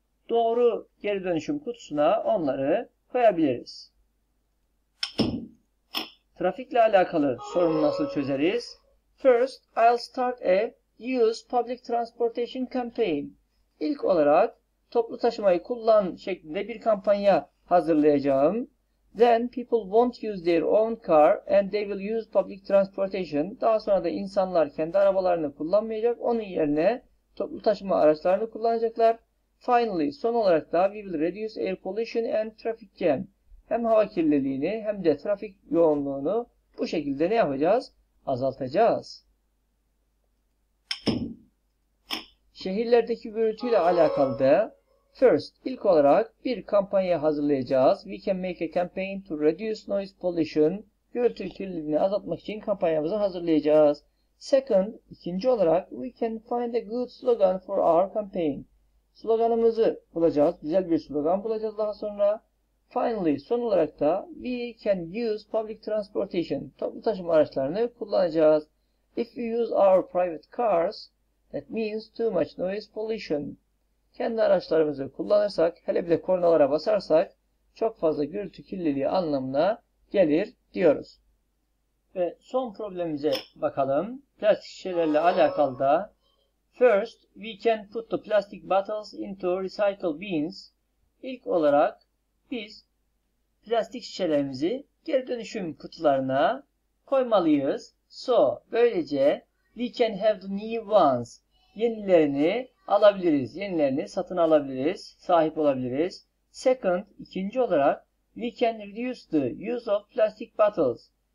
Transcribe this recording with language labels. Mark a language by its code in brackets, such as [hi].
[tr] Doğru geri dönüşüm kutusuna onları koyabiliriz. Trafikle alakalı sorunu nasıl çözeriz? [en] First, I'll start a use public transportation campaign. [tr] İlk olarak toplu taşımayı kullan şeklinde bir kampanya hazırlayacağım. [en] Then people won't use their own car and they will use public transportation. [tr] Daha sonra da insanlar kendi arabalarını kullanmayacak. Onun yerine toplu taşıma araçlarını kullanacaklar. [en] Finally, [tr] son olarak da [en] we will reduce air pollution and traffic jam. [tr] Hem hava kirliliğini hem de trafik yoğunluğunu bu şekilde ne yapacağız? Azaltacağız. Şehirlerdeki gürültüyle alakalı da first, ilk olarak bir kampanya hazırlayacağız. [en] We can make a campaign to reduce noise pollution. [tr] Gürültü kirliliğini azaltmak için kampanyamızı hazırlayacağız. [en] Second, [tr] ikinci olarak [en] we can find a good slogan for our campaign. [tr] Sloganımızı bulacağız. Güzel bir slogan bulacağız daha sonra. [en] Finally, [tr] son olarak da [en] we can use public transportation. [tr] Toplu taşıma araçlarını kullanacağız. [en] If we use our private cars, that means too much noise pollution. [tr] Kendi araçlarımızı kullanırsak, hele bir de kornalara basarsak, çok fazla gürültü kirliliği anlamına gelir diyoruz. Ve son problemimize bakalım. Plastik şişelerle alakalı da. [en] First, we can put the plastic bottles into recycle bins. [tr] İlk olarak biz plastik şişelerimizi geri dönüşüm kutularına koymalıyız. [en] So, böylece we can have the new ones. [tr] Yenilerini alabiliriz. Yenilerini satın alabiliriz. Sahip olabiliriz. [en] Second, [tr] ikinci olarak [en] we can reduce the use of plastic bottles.